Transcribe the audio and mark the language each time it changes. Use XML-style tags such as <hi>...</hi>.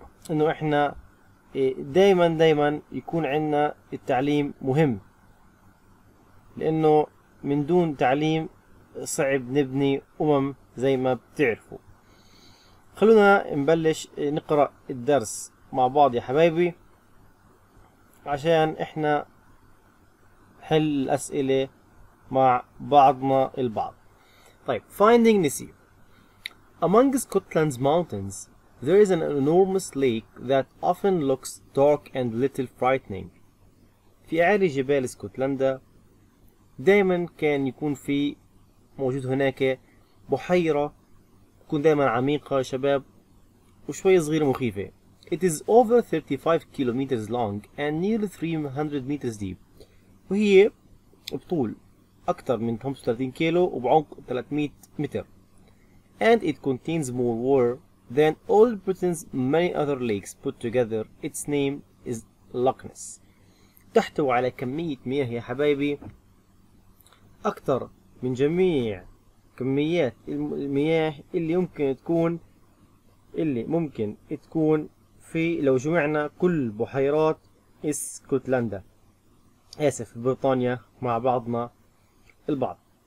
<ar>انه احنا دايما دايما يكون عندنا التعليم مهم، لانه من دون تعليم صعب نبني امم زي ما بتعرفوا. خلونا نبلش نقرأ الدرس مع بعض يا حبايبي عشان احنا حل الأسئلة مع بعضنا البعض. طيب،</ar> <en>Finding Nessie. Among Scotland's mountains, there is an enormous lake that often looks dark and little frightening.</en> <ar>في أعلى جبال اسكتلندا دائما كان يكون في موجود هناك بحيرة تكون دائما عميقة شباب وشوية صغيرة مخيفة.</ar> <en>It is over 35 kilometers long and nearly 300 meters deep.</en> <ar>وهي بطول أكثر من 35 كيلو وبعمق 300 متر.</ar> <en>And it contains more water than all Britain's many other lakes put together. Its name is Loch Ness.</en> <ar>تحتوي على كمية مياه يا حبايبي أكثر من جميع كميات المياه اللي ممكن تكون في لو جمعنا كل بحيرات اسكتلندا، آسف، بريطانيا مع بعضنا البعض.</ar>